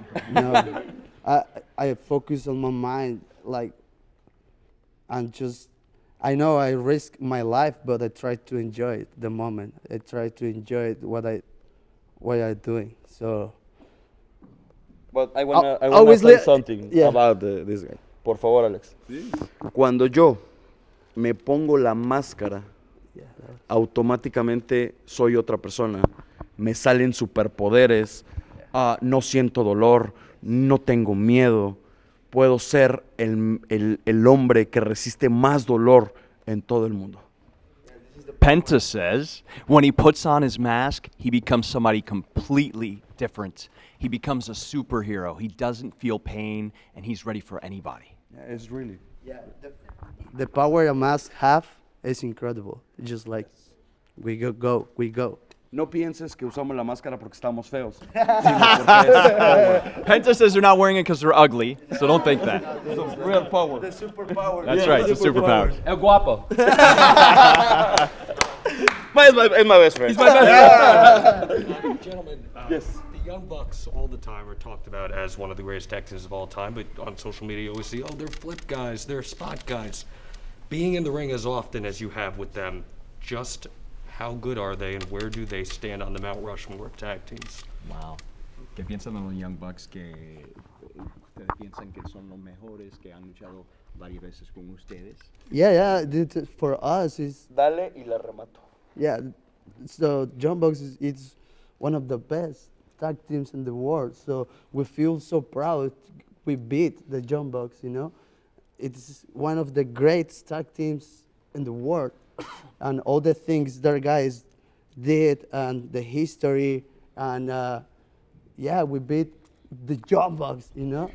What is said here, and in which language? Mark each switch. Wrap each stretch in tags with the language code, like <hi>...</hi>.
<en>No, I focus on my mind, like, and just, I know I risk my life, but I try to enjoy it, the moment. I try to enjoy it, what I'm doing, so. But I wanna say something about this guy.</en> <es>Por favor, Alex. Sí. Cuando yo me pongo la máscara, automáticamente soy otra persona. Me salen superpoderes, no siento dolor, no tengo miedo. Puedo ser el hombre que resiste más dolor en todo el mundo.</es> <en>Penta says, when he puts on his mask, he becomes somebody completely different. He becomes a superhero. He doesn't feel pain, and he's ready for anybody. Yeah, it's really. The power a mask have is incredible. It's just like, we go.</en> <es>No pienses que usamos la máscara porque estamos feos.</es> <en>Penta says they're not wearing it because they're ugly, so don't think that. It's a real power. The superpower. That's right, it's a superpower.</en> <es>El guapo.</es> <en>He's my best friend. He's my best friend. Gentlemen. Yes. Young Bucks all the time are talked about as one of the greatest tag teams of all time, but on social media you always see, oh, they're flip guys, they're spot guys. Being in the ring as often as you have with them, just how good are they and where do they stand on the Mount Rushmore tag teams? Wow.</en> <es>¿Qué piensan de los Young Bucks que ustedes piensan que son los mejores que han luchado varias veces con ustedes?</es> <en>Yeah, dude, for us is</en> <es>dale y la remato.</es> <en>Yeah, so Young Bucks is it's one of the best tag teams in the world, so we feel so proud we beat the Young Bucks, you know? It's one of the great tag teams in the world, and all the things their guys did, and the history, and we beat the Young Bucks, you know?</en>